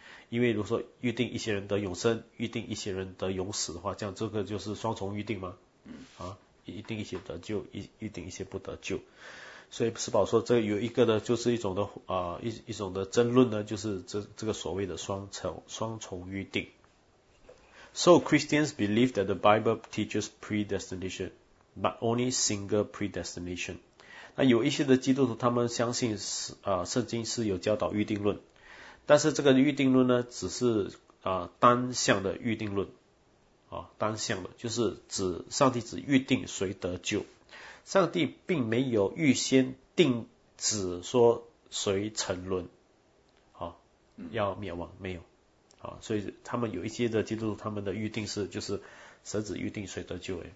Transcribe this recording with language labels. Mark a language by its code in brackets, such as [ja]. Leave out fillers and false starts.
[zh] 因为如果说预定一些人得永生，预定一些人得永死的话，这样这个就是双重预定吗？预定一些得救，预定一些不得救。所以施宝说，这有一个的就是一种的一种的争论呢，就是这个所谓的双重预定。 [en] So Christians believe that the Bible teaches predestination, but only single predestination。 [zh] 那有一些的基督徒他们相信圣经是有教导预定论，但是这个预定论呢，只是单向的预定论，单向的，就是指上帝只预定谁得救。上帝并没有预先定旨说谁沉沦，要灭亡，没有，所以他们有一些的基督徒，他们的预定是就是神只预定谁得救。